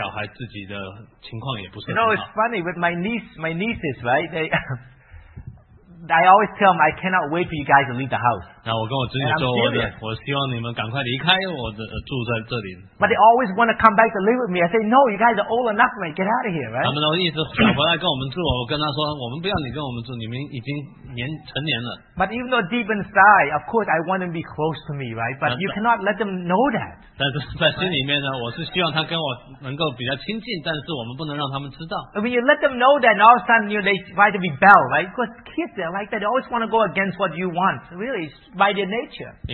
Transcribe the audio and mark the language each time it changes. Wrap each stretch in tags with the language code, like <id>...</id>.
<zh>他朋友的父母亲其实也不是很欢迎他，也说这个小孩来跟我们住是为什么？那因为他的小孩自己的情况也不是很好。</zh> <en>You know, it's funny with my niece, my nieces, right? I always tell them I cannot wait for you guys to leave the house.</en> <zh>那我跟我侄女说，我希望你们赶快离开我的住在这里。</zh> <en>But they always want to come back to live with me. I say, no, you guys are old enough, man. Get out of here, right?</en> <zh>他们都一直想回来跟我们住。我跟他说，我们不要你跟我们住，你们已经成年了。</zh> <en>But even though deep inside, of course, I want them to be close to me, right? But you cannot let them know that.</en> <zh>但是在心里面呢，我是希望他跟我能够比较亲近，但是我们不能让他们知道。</zh> <en>I mean, you let them know that, and all of a sudden, you know, they try to rebel, right? Because kids are like that. They always want to go against what you want. Really, it's by their nature.</en>